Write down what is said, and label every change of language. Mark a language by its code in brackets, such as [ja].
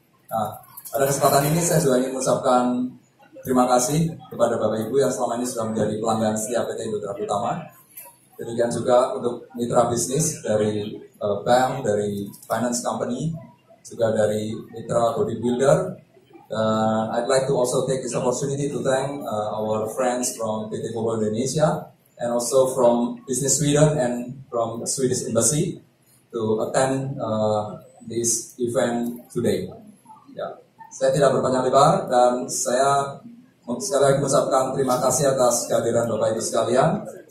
[id] Nah, pada kesempatan ini saya juga ingin mengucapkan terima kasih kepada Bapak Ibu yang selama ini sudah menjadi pelanggan setia PT Indo Truck Utama. Demikian juga untuk mitra bisnis dari bank, dari finance company, juga dari mitra bodybuilder. [en] I'd like to also take this opportunity to thank our friends from PT Volvo Indonesia and also from Business Sweden and from Swedish Embassy to attend this event today. [id] Saya tidak berpanjang lebar dan saya sekali lagi mengucapkan terima kasih atas kehadiran Bapak Ibu sekalian.